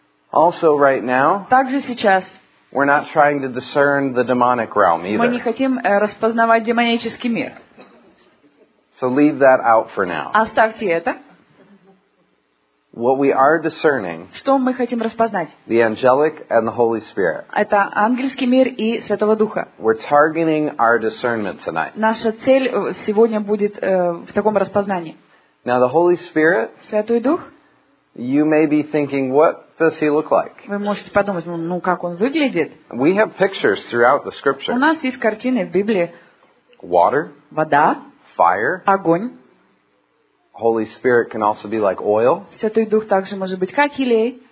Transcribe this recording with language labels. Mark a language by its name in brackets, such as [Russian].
[English] Also right now. [Russian] Также сейчас. [English] We're not trying to discern the demonic realm either. [Russian] Мы не хотим распознавать демонический мир. [English] So leave that out for now. [Russian] Оставьте это. [English] What we are discerning. [Russian] Что мы хотим распознать? [English] The angelic and the Holy Spirit. [Russian] Это ангельский мир и Святого Духа. [English] We're targeting our discernment tonight. [Russian] Наша цель сегодня будет в таком распознании. [English] Now the Holy Spirit. [Russian] Святой Дух. [English] You may be thinking, what does he look like? [Russian] Вы можете подумать, ну как он выглядит? [English] We have pictures throughout the scripture. [Russian] У нас есть картины в Библии. [English] Water. [Russian] Вода. [English] Fire. [Russian] Огонь. [English] Holy Spirit can also be like oil. [Russian] Святой Дух также может быть как елей.